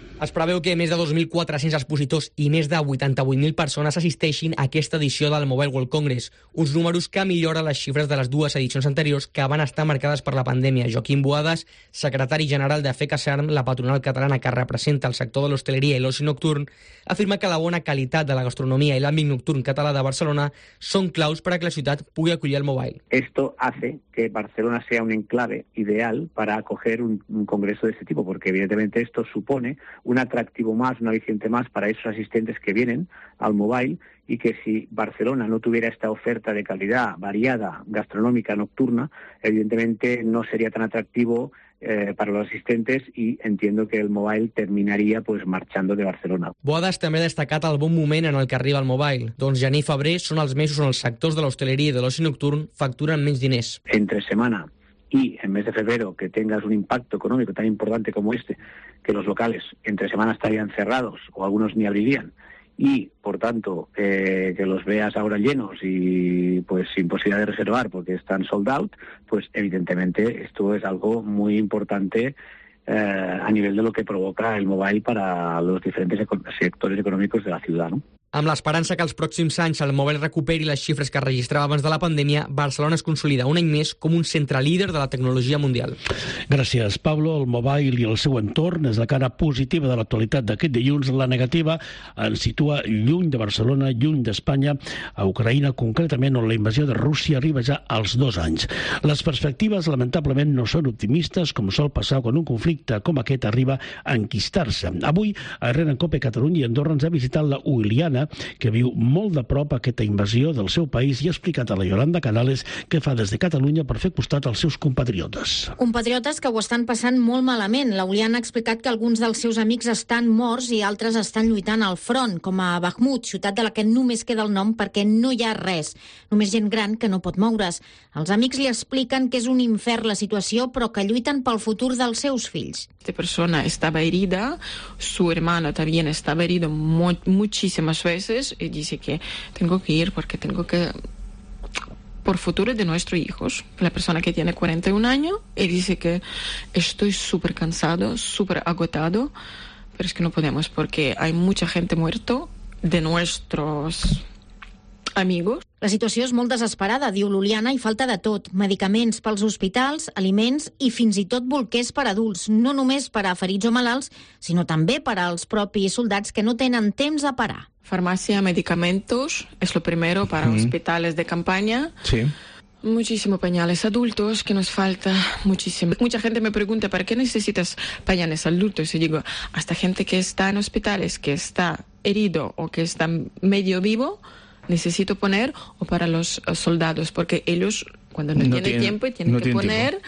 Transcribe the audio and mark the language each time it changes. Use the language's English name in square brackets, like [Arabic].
[Catalan] Es preveu que més de 2.400 expositors i més de 88.000 persones assisteixin a aquesta edició del Mobile World Congress, uns números que milloren les xifres de les dues edicions anteriors que van estar marcades per la pandèmia. Joaquim Boadas, secretari general de FECASERM, la patronal catalana que representa el sector de l'hostaleria i l'oci nocturn, afirma que la bona qualitat de la gastronomia i l'àmbit nocturn català de Barcelona són claus perquè la ciutat pugui acollir el mobile. [Spanish] Esto hace que Barcelona sea un enclave ideal para acoger un congreso de este tipo, porque evidentemente esto supone un atractivo más, un aliciente más para esos asistentes que vienen al mobile. Y que si Barcelona no tuviera esta oferta de calidad variada, gastronómica, nocturna, evidentemente no sería tan atractivo para los asistentes y entiendo que el Mobile terminaría pues marchando de Barcelona. [Catalan] Boadas també ha destacat el bon moment en el que arriba el Mobile. Doncs gener i febrer són els mesos on els sectors de l'hostaleria i de l'oci nocturn facturen menys diners. [Spanish] Entre setmana y en mes de febrero que tengas un impacto económico tan importante como este, que los locales entre semana estarían cerrados o algunos ni abrirían, y por tanto que los veas ahora llenos y pues sin posibilidad de reservar porque están sold out, pues evidentemente esto es algo muy importante a nivel de lo que provoca el Mobile para los diferentes sectores económicos de la ciudad, ¿no? [Catalan] Amb l'esperança que els pròxims anys el Mobile recuperi les xifres que registrava abans de la pandèmia, Barcelona es consolida un any més com un centre líder de la tecnologia mundial. Gràcies, Pablo. El Mobile i el seu entorn és la cara positiva de l'actualitat d'aquest dilluns. La negativa ens situa lluny de Barcelona, lluny d'Espanya, a Ucraïna concretament, on la invasió de Rússia arriba ja als 2 anys. Les perspectives, lamentablement, no són optimistes, com sol passar quan un conflicte com aquest arriba a enquistar-se. Avui, a Renan Cope Catalunya i Andorra, ens ha visitat la Uiliana, que viu molt de prop aquesta invasió del seu país i ha explicat a la Yolanda Canales què fa des de Catalunya per fer costat als seus compatriotes. Compatriotes que ho estan passant molt malament. La Uliana ha explicat que alguns dels seus amics estan morts i altres estan lluitant al front, com a Bakhmut, ciutat de la que només queda el nom perquè no hi ha res, només gent gran que no pot moure's. Els amics li expliquen que és un infern la situació, però que lluiten pel futur dels seus fills. [Spanish] Esta persona estava herida, su hermana también estava herida [Catalan] moltíssim [Spanish] más veces y dice que tengo que ir porque tengo que por futuro de nuestros hijos. La persona que tiene 41 años y dice que estoy súper cansado, súper agotado, pero es que no podemos porque hay mucha gente muerta de nuestros amigos. [Catalan] La situació és molt desesperada, diu Luliana, i falta de tot. Medicaments pels hospitals, aliments i fins i tot bolquers per adults, no només per a ferits o malalts, sinó també per als propis soldats que no tenen temps a parar. [Spanish] Farmàcia, medicamentos, és lo primero para hospitales de campaña. Sí. Muchísimo pañales adultos, que nos falta muchísimo. Mucha gente me pregunta, ¿para qué necesitas pañales adultos? Y digo, hasta gente que está en hospitales, que está herido o que está medio vivo, necesito poner, o para los soldados, porque ellos, cuando no tienen tiempo, tienen que poner...